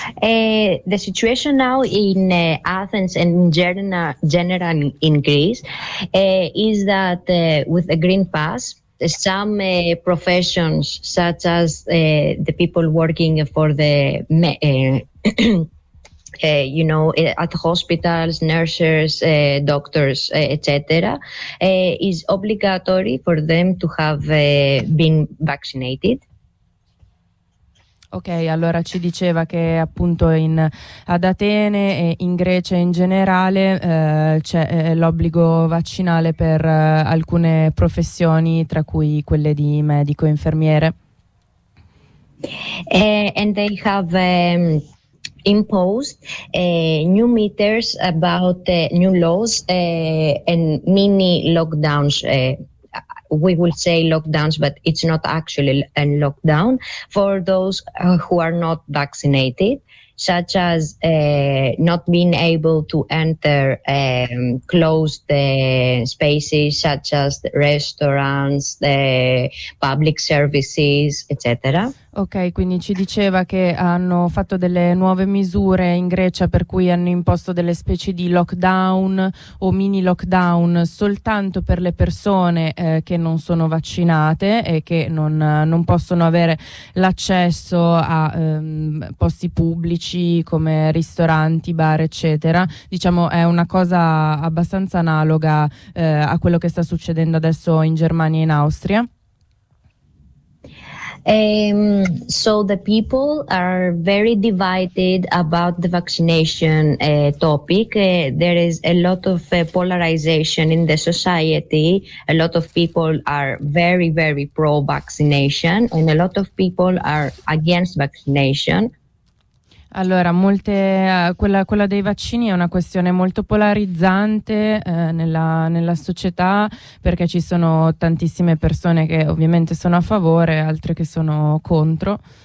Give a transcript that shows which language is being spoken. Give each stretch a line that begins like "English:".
English: The situation now in Athens and in general in Greece is that with the Green Pass, some professions such as the people working for the you know, at hospitals, nurses, doctors, etc., is obligatory for them to have been vaccinated.
Italian: Ok, allora ci diceva che appunto ad Atene e in Grecia in generale c'è l'obbligo vaccinale per alcune professioni, tra cui quelle di medico e infermiere.
English: And they have imposed new meters about new laws and mini lockdowns. We will say lockdowns, but it's not actually a lockdown for those who are not vaccinated, such as not being able to enter closed spaces, such as the restaurants, the public services, etc.
Italian: Ok, quindi ci diceva che hanno fatto delle nuove misure in Grecia per cui hanno imposto delle specie di lockdown o mini lockdown soltanto per le persone che non sono vaccinate e che non possono avere l'accesso a posti pubblici come ristoranti, bar, eccetera. Diciamo è una cosa abbastanza analoga a quello che sta succedendo adesso in Germania e in Austria.
English: So the people are very divided about the vaccination topic. There is a lot of polarization in the society. A lot of people are very, very pro-vaccination and a lot of people are against vaccination.
Italian: Allora, quella dei vaccini è una questione molto polarizzante nella società, perché ci sono tantissime persone che ovviamente sono a favore, altre che sono contro.